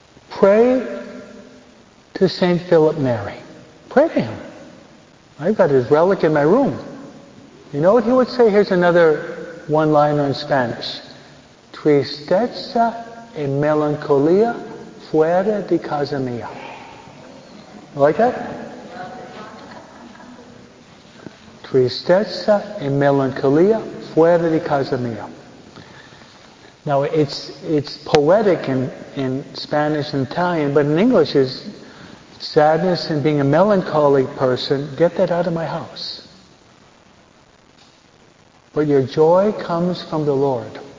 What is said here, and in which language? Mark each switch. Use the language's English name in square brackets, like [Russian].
[English] Pray to St. Philip Neri. Pray to him. I've got his relic in my room. You know what he would say? Here's another one-liner in Spanish. [Spanish] Tristeza y melancolía fuera de casa mía. [English] You like that? [Spanish] Tristeza y melancolía fuera de casa mía. [English] Now, it's poetic in Spanish and Italian, but in English is sadness and being a melancholy person, get that out of my house. But your joy comes from the Lord.